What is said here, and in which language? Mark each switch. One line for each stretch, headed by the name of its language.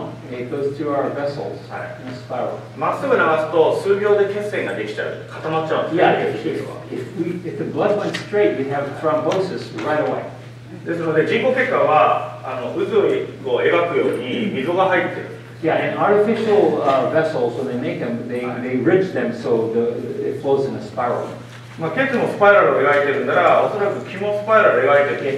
English: It goes through our vessels in a spiral.
Japanese: まっすぐ流すと数秒で血栓ができちゃう、固まっちゃう。
English: Yeah, if the blood went straight, we'd have thrombosis right away.
Japanese: ですので人工血管は渦を描くように溝が入ってる。
English: Yeah, and artificial vessels, when they make them, they ridge them so it flows in a spiral.
Japanese: まあ、血もスパイラルを描いてるなら、おそらく気もスパイラルを描いてる。